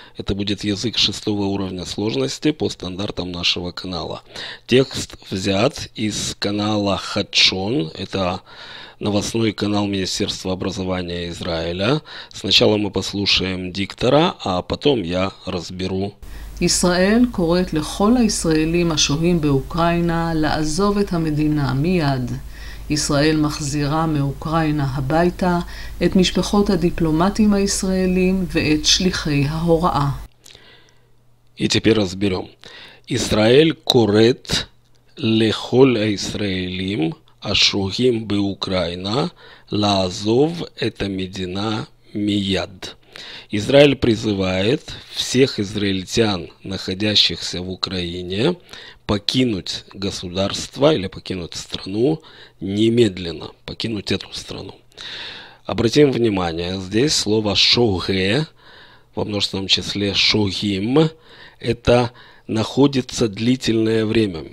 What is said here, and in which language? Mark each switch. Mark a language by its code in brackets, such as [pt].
[ru] Это будет язык шестого уровня сложности по стандартам нашего канала. Текст взят из канала Хадшон. Это новостной канал Министерства образования Израиля. Сначала мы послушаем диктора, а потом я разберу. [he] ישראל קוראת לכל הישראלים השוהים באוקראינה לעזוב את המדינה מיד. ישראל מחזירה מאוקראינה הביתה את משפחות הדיפלומטים הישראלים ואת שליחי ההוראה. יתפיר הסבירום. ישראל קוראת לכל הישראלים השוהים באוקראינה לעזוב את המדינה מיד. [ru] Израиль призывает всех израильтян, находящихся в Украине, покинуть государство или покинуть страну немедленно, покинуть эту страну. Обратим внимание, здесь слово «шоге» во множественном числе «шогим» – это «находится длительное время».